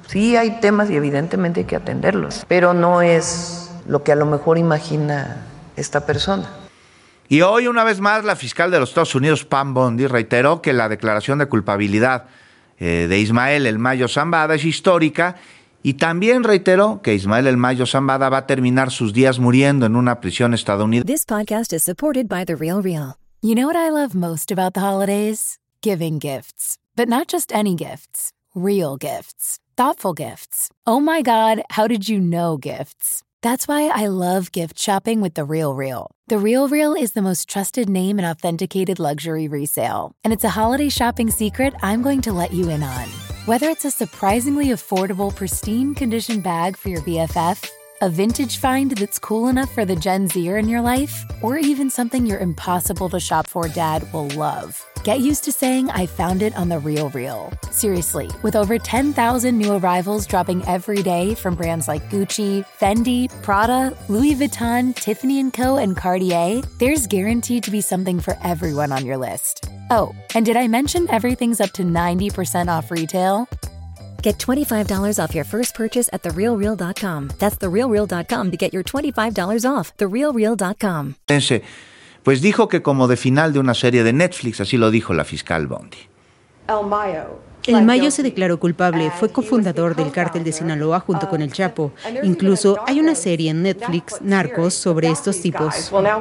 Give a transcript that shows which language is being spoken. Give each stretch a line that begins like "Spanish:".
Spanish: Sí hay temas y evidentemente hay que atenderlos, pero no es lo que a lo mejor imagina esta persona. Y hoy, una vez más, la fiscal de los Estados Unidos, Pam Bondi, reiteró que la declaración de culpabilidad de Ismael El Mayo Zambada es histórica y también reiteró que Ismael El Mayo Zambada va a terminar sus días muriendo en una prisión estadounidense.
English: This podcast is supported by The Real Real. You know what I love most about the holidays? Giving gifts. But not just any gifts. Real gifts. Thoughtful gifts. Oh my God, how did you know gifts? That's why I love gift shopping with The Real Real. The Real Real is the most trusted name in authenticated luxury resale. And it's a holiday shopping secret I'm going to let you in on. Whether it's a surprisingly affordable, pristine condition bag for your BFF, a vintage find that's cool enough for the Gen Zer in your life, or even something your impossible to shop for dad will love. Get used to saying, I found it on The Real Real. Seriously, with over 10,000 new arrivals dropping every day from brands like Gucci, Fendi, Prada, Louis Vuitton, Tiffany & Co., and Cartier, there's guaranteed to be something for everyone on your list. Oh, and did I mention everything's up to 90% off retail? Get $25 off your first purchase at TheRealReal.com. That's TheRealReal.com to get your $25 off. TheRealReal.com.
Spanish: Pues dijo que como de final de una serie de Netflix, así lo dijo la fiscal Bondi. El Mayo se declaró culpable, fue cofundador del cártel de Sinaloa junto con el Chapo. Incluso hay una serie en Netflix, Narcos, sobre estos tipos.